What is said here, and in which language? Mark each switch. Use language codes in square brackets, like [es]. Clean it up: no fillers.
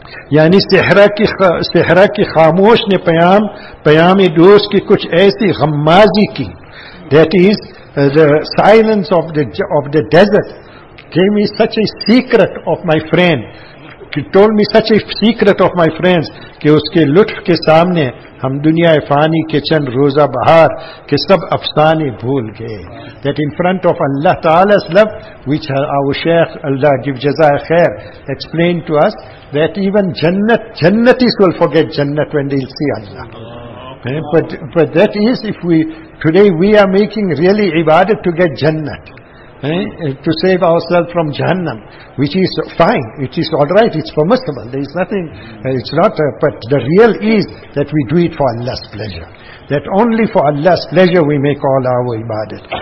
[ur] یعنی سہرہ کی خاموش نے پیام دوست کی کچھ ایسی غمازی کی. [en] That is the silence of the desert gave me such a secret of my friend. He told me such a secret of my friends [ur] کہ اس کے لطف کے سامنے ہم دنیا فانی کے چند روزہ بہار کے سب افسانے بھول گئے. [en] That in front of Allah Ta'ala's love, which our Shaykh Allah give jazai khair, explained to us that even Jannatis will forget Jannat when they'll see Allah. But that is, if we today we are making really ibadat to get Jannat, to save ourselves from Jahannam, which is fine, it is alright, it's permissible, there is nothing, it's not, but the real is that we do it for Allah's pleasure, that only for Allah's pleasure we make all our ibadat.